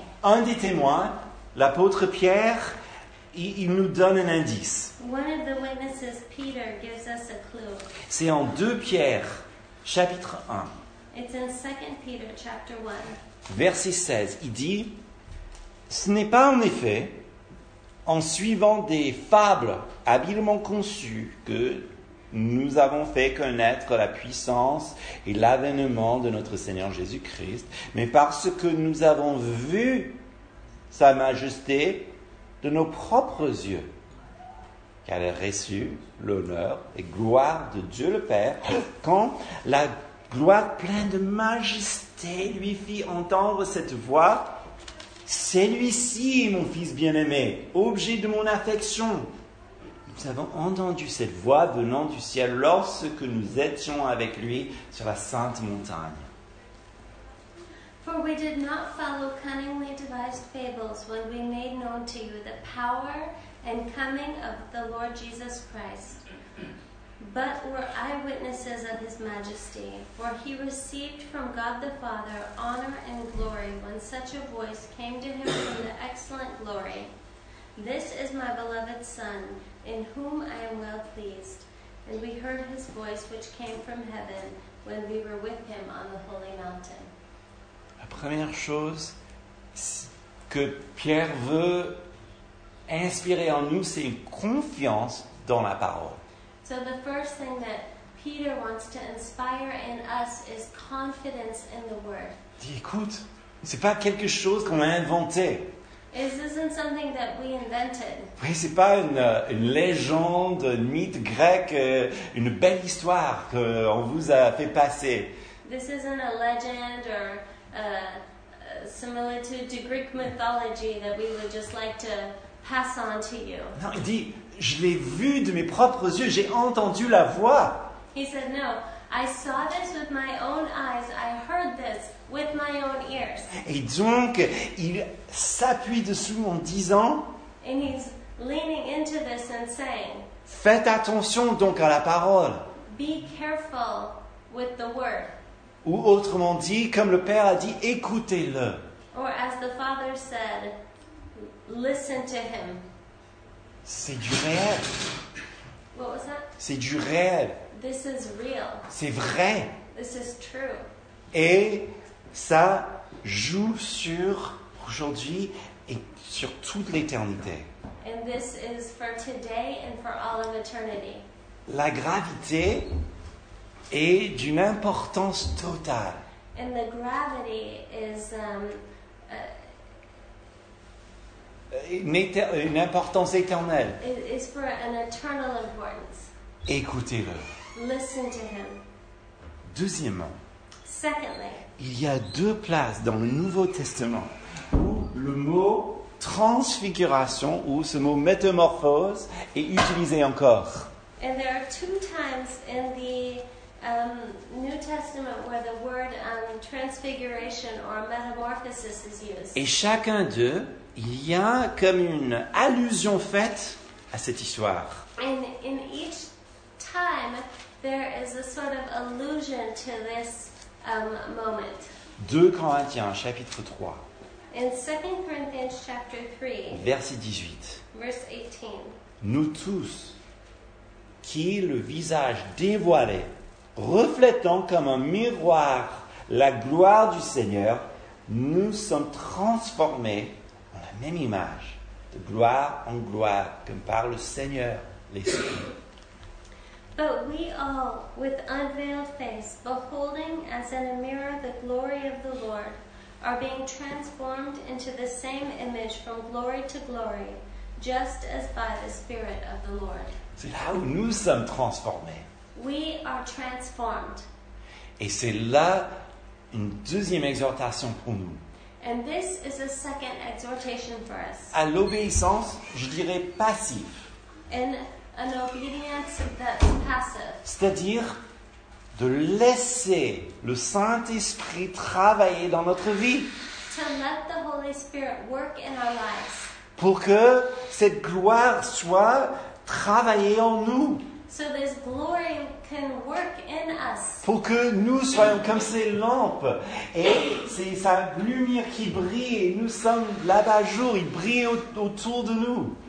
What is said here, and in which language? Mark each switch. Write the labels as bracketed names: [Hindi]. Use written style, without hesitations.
[French] Un des témoins, l'apôtre Pierre, il nous donne un indice. [English] One of the witnesses, Peter, gives us a clue. [French] C'est en 2 Pierre, chapitre 1. [English] It's in 2 Peter, chapter 1. [French] Verset 16, il dit, ce n'est pas en effet en suivant des fables habilement conçues que nous avons fait connaître la puissance et l'avènement de notre Seigneur Jésus-Christ, mais parce que nous avons vu sa majesté de nos propres yeux, qu'elle a reçu l'honneur et gloire de Dieu le Père, quand la gloire pleine de majesté lui fit entendre cette voix, « Celui-ci, mon fils bien-aimé, objet de mon affection. » Nous avons entendu cette voix venant du ciel lorsque nous étions avec lui sur la sainte montagne. [English] For we did not follow cunningly devised fables when we made known to you the power and coming of the Lord Jesus Christ, but were eyewitnesses of his majesty. For he received from God the Father honor and glory when such a voice came to him from the excellent glory. This is my beloved Son, in whom I am well pleased. And we heard his voice which came from heaven when we were with him on the holy mountain. [French] La première chose que Pierre veut inspirer en nous, c'est une confiance dans la parole. [English] So the first thing that Peter wants to inspire in us is confidence in the word. [French] Dis, écoute, c'est pas quelque chose qu'on a inventé. [English] This isn't something that we invented. [French] Oui, c'est pas une légende, un mythe grec, une belle histoire qu'on vous a fait passer. [English] This isn't a legend or a similitude to Greek mythology that we would just like to pass on to you. [French] Non, il dit, je l'ai vu de mes propres yeux, j'ai entendu la voix. [English] He said, no, I saw this with my own eyes, I heard this with my own ears. [French] Et donc, il s'appuie dessus en disant, [English] and he's leaning into this and saying, [French] faites attention donc à la parole. [English] Be careful with the word. [French] Ou autrement dit, comme le Père a dit, écoutez-le. [English] Or as the Father said, listen to him. [French] C'est du réel. [English] What was that? [French] C'est du réel. [English] This is real. [French] C'est vrai. [English] This is true. [French] Et ça joue sur aujourd'hui et sur toute l'éternité. [English] And this is for today and for all of eternity. [French] La gravité est d'une importance totale. [English] And the gravity is [French] une importance éternelle. [English] It's for an eternal importance. [French] Écoutez-le. [English] Listen to him. [French] Deuxièmement, [English] secondly, [French] il y a deux places dans le Nouveau Testament où le mot transfiguration ou ce mot métamorphose est utilisé encore. [English] And there are two times in the New Testament where the word transfiguration or metamorphosis is used. [French] Et chacun d'eux, il y a comme une allusion faite à cette histoire. [English] And in each time, there is a sort of allusion to this moment. [French] 2 Corinthiens, chapitre 3. [English] In 2 Corinthians, chapter 3. [French] Verset 18. [English] Verse 18. [French] Nous tous, qui le visage dévoilé, reflétant comme un miroir la gloire du Seigneur, nous sommes transformés en la même image, de gloire en gloire, comme par le Seigneur, l'Esprit. [English] But we all, with unveiled face, beholding as in a mirror the glory of the Lord, are being transformed into the same image from glory to glory, just as by the Spirit of the Lord. [French] C'est là où nous sommes transformés. [English] We are transformed. [French] Et c'est là une deuxième exhortation pour nous. [English] And this is a second exhortation for us. [French] À l'obéissance, je dirais passive. [English] And an obedience that's passive. [French] C'est-à-dire de laisser le Saint-Esprit travailler dans notre vie. [English] To let the Holy Spirit work in our lives. [French] Pour que cette gloire soit travaillée en nous. [English] So this glory can work in us. [French] Pour que nous soyons comme ces lampes et c'est sa lumière qui brille et nous sommes l'abat-jour, il brille autour de nous.